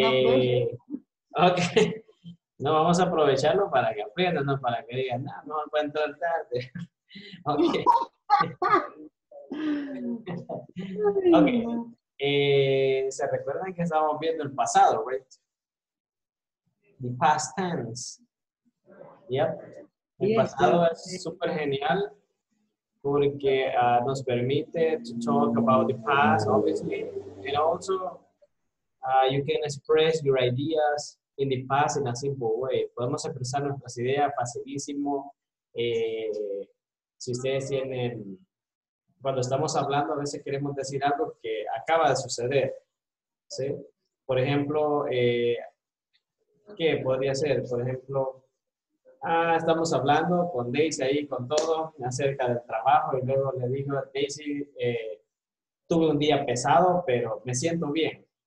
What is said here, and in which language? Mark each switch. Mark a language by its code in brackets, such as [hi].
[es] Okay. No, vamos a aprovecharlo para que aprendan, no para que digan, no me puedo entrar tarde. Okay. Okay. Se recuerdan que estábamos viendo el pasado, right? [en] The past tense. Yep. [es] El pasado es super genial porque nos permite [en] to talk about the past, obviously, and also you can express your ideas in the past in a simple way. [es] Podemos expresar nuestras ideas facilísimo. Si ustedes tienen, cuando estamos hablando, a veces queremos decir algo que acaba de suceder, ¿sí? Por ejemplo, ¿qué podría ser? Por ejemplo, estamos hablando con Daisy ahí, con todo, acerca del trabajo, y luego le digo a Daisy, tuve un día pesado, pero me siento bien.